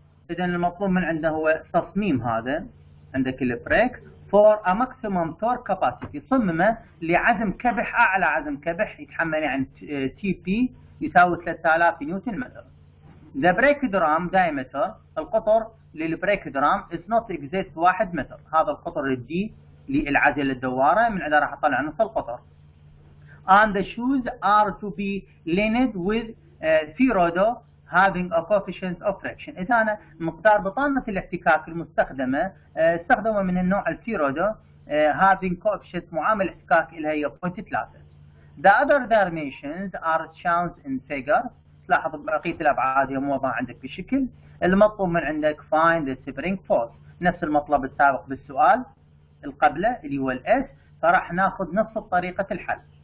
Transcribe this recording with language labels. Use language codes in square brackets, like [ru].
[ar] إذن المطلوب من عنده هو تصميم هذا عندك البريك [en] for a maximum torque capacity، [ar] صممه لعزم كبح أعلى عزم كبح يتحمل يعني TP يساوي 3000 نيوتن متر. [en] The brake drum diameter، [ar] القطر للبريك درام [en] is not exact [ar] 1 متر، هذا القطر الدي للعجلة الدوارة من عندها راح أطلع نص القطر. [en] And the shoes are to be lined with Firodo having a coefficient of friction. [ar] إذا أنا مقدار بطانة الاحتكاك المستخدمة استخدمة من النوع الفيرودو [en] having coefficient [ar] معامل احتكاك إلها هي 0.3. [en] The other dimensions are shown in figure. [ar] تلاحظ بقية الأبعاد هي موضوع عندك بشكل المطلوب من عندك [en] find the spring force [ar] نفس المطلب السابق بالسؤال القبلة اللي هو الاس فراح ناخذ نفس طريقة الحل.